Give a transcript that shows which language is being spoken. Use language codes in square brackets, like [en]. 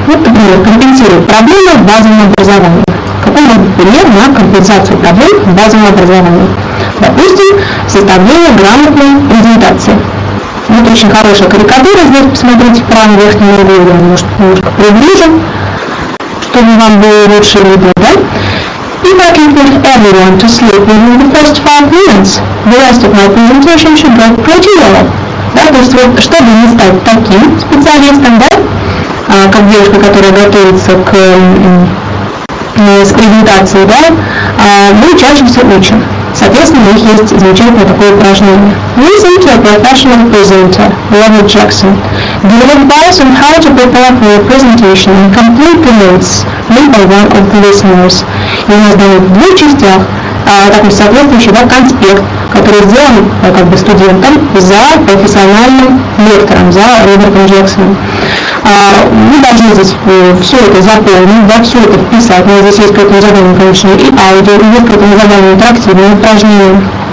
[ru] Вот, например, компенсирует проблемы в базовом образовании. Какой может быть пример на компенсацию проблем в базовом образовании? Допустим, составление грамотной презентации. Вот очень хорошая карикатура здесь, посмотрите, в правом верхнем углу, я немножко приближу, чтобы вам было лучше видно, да? [en] If I can get everyone to sleep within the first 5 minutes, the rest of my presentation should go pretty well. [ru] Да, то есть вот, чтобы не стать таким специалистом, да, как девушка, которая готовится к презентации, да, мы учащимся учим. Соответственно, у них есть замечательное такое упражнение. [en] Listen to a professional presenter, Robert Jackson. Give advice on how to prepare for a presentation and complete the notes made by one of the listeners. [ru] И у нас дают в двух частях такой соответствующий, да, конспект, который сделан как бы студентом за профессиональным лектором, за Робертом Джексоном. Мы должны здесь все это заполнить, да, все это вписать. У нас здесь есть какое-то задание, конечно, и аудио, и есть какое-то задание интерактивное упражнение.